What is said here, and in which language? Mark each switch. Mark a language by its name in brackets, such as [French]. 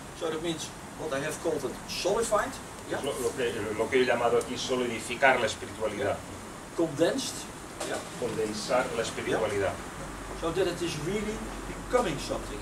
[English] So that means what I have called it solidified. Yeah. [Spanish] Lo que he llamado aquí solidificar la espiritualidad. [English] Condensed. Yeah. [Spanish] Condensar la espiritualidad. [English] Yeah. So that it is really becoming something.